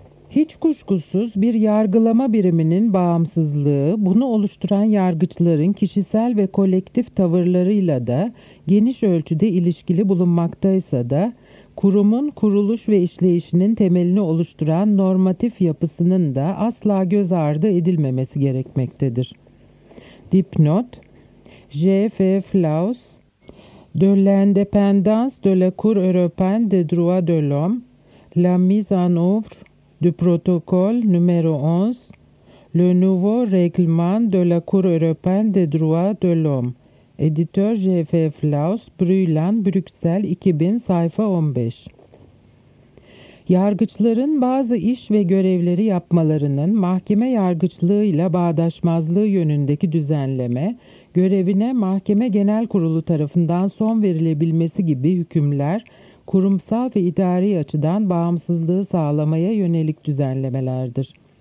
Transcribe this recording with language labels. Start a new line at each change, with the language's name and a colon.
Turkish: Hiç kuşkusuz bir yargılama biriminin bağımsızlığı, bunu oluşturan yargıçların kişisel ve kolektif tavırlarıyla da geniş ölçüde ilişkili bulunmaktaysa da, kurumun kuruluş ve işleyişinin temelini oluşturan normatif yapısının da asla göz ardı edilmemesi gerekmektedir. Dipnot: J.F.
French: Flaus, De l'indépendance de la Cour européenne des droits de l'homme, la mise en œuvre du protocole numéro 11, le nouveau règlement de la Cour européenne des droits de l'homme.
Turkish: Editör J.F. Flaus, Brüylen, Brüksel 2000, sayfa 15. Yargıçların bazı iş ve görevleri yapmalarının mahkeme yargıçlığıyla bağdaşmazlığı yönündeki düzenleme, görevine Mahkeme Genel Kurulu tarafından son verilebilmesi gibi hükümler, kurumsal ve idari açıdan bağımsızlığı sağlamaya yönelik düzenlemelerdir.